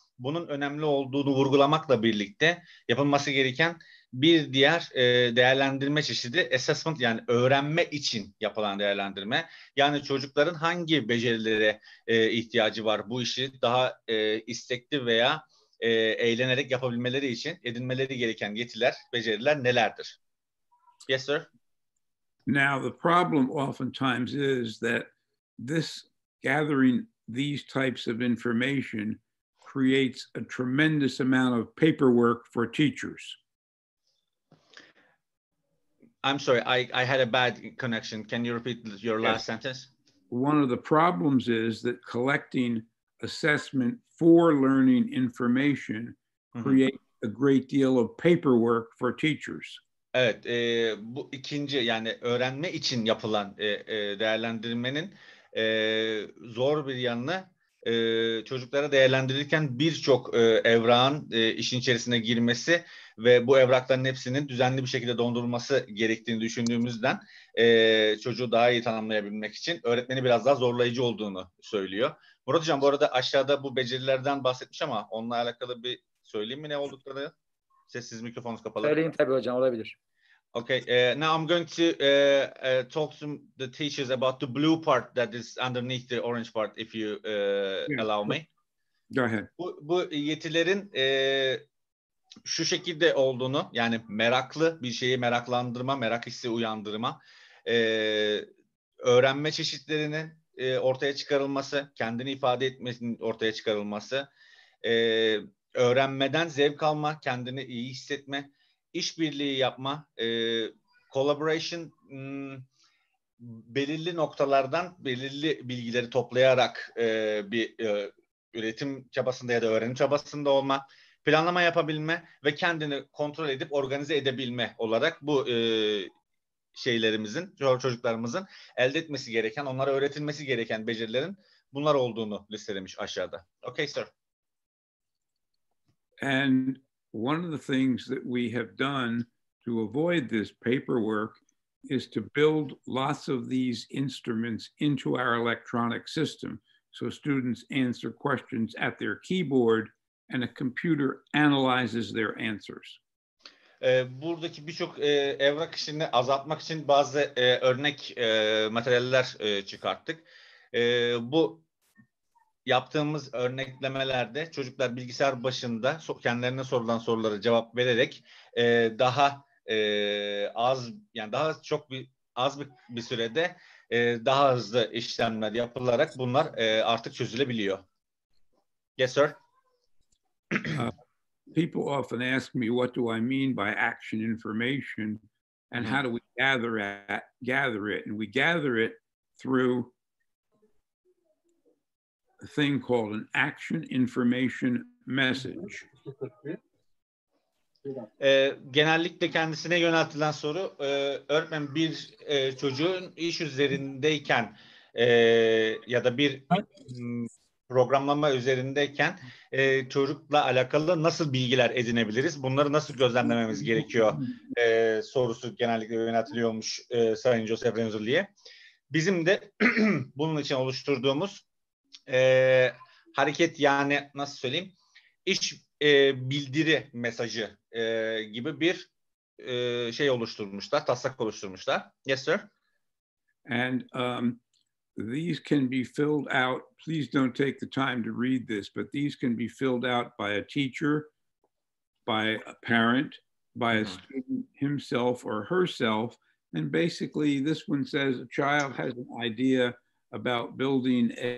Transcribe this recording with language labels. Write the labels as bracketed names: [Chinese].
[Turkish] Bunun önemli olduğunu vurgulamakla birlikte yapılması gereken bir diğer değerlendirme çeşidi assessment yani öğrenme için yapılan değerlendirme. Yani çocukların hangi becerilere ihtiyacı var bu işi daha istekli veya eğlenerek yapabilmeleri için edinmeleri gereken yetiler, beceriler nelerdir? [English] Yes, sir. Now, the problem oftentimes is that this gathering these types of information creates a tremendous amount of paperwork for teachers. I'm sorry, I had a bad connection. Can you repeat your last sentence? One of the problems is that collecting assessment for learning information create a great deal of paperwork for teachers. [Turkish] Evet, bu ikinci yani öğrenme için yapılan değerlendirmenin zor bir yanını çocuklara değerlendirirken birçok evrağın işin içerisine girmesi ve bu evrakların hepsinin düzenli bir şekilde dondurulması gerektiğini düşündüğümüzden çocuğu daha iyi tanımlayabilmek için öğretmeni biraz daha zorlayıcı olduğunu söylüyor. Murat Hocam, bu arada aşağıda bu becerilerden bahsetmiş ama onunla alakalı bir söyleyeyim mi ne olduklarını? Sessiz mikrofonunuz kapalı. Söyleyeyim tabii hocam, olabilir. [English] Okay, now I'm going to talk to the teachers about the blue part that is underneath the orange part, if you allow me. Go ahead. [Turkish] Bu yetilerin şu şekilde olduğunu, yani meraklı bir şeyi meraklandırma, merak hissi uyandırma, öğrenme çeşitlerinin ortaya çıkarılması, kendini ifade etmesinin ortaya çıkarılması, öğrenmeden zevk alma, kendini iyi hissetme, işbirliği yapma, collaboration, belirli noktalardan belirli bilgileri toplayarak bir üretim çabasında ya da öğrenim çabasında olma, planlama yapabilme ve kendini kontrol edip organize edebilme olarak bu şeylerimizin, çocuklarımızın elde etmesi gereken, onlara öğretilmesi gereken becerilerin bunlar olduğunu listelemiş aşağıda. [English] Okay, sir. And one of the things that we have done to avoid this paperwork is to build lots of these instruments into our electronic system. So students answer questions at their keyboard and a computer analyzes their answers. [Turkish] Buradaki birçok evrak işini azaltmak için bazı örnek materyaller çıkarttık. Bu yaptığımız örneklemelerde çocuklar bilgisayar başında kendilerine sorulan soruları cevap vererek daha az, yani daha çok bir az bir sürede daha hızlı işlemler yapılarak bunlar artık çözülebiliyor. [English] Yes sir. People often ask me what do I mean by action information and how do we gather it, and we gather it through a thing called an action information message. [Turkish] Genellikle kendisine yöneltilen soru, öğretmen bir çocuğun iş üzerindeyken ya da bir programlama üzerindeyken çocukla alakalı nasıl bilgiler edinebiliriz? Bunları nasıl gözlemlememiz gerekiyor? Sorusu genellikle yöneltiliyormuş Sayın Joseph Renzulli'ye. Bizim de bunun için oluşturduğumuz hareket, yani nasıl söyleyeyim, iş bildiri mesajı gibi bir şey oluşturmuşlar, taslak oluşturmuşlar. [English] Yes sir. And these can be filled out, please don't take the time to read this, but these can be filled out by a teacher, by a parent, by a student himself or herself. And basically this one says a child has an idea about building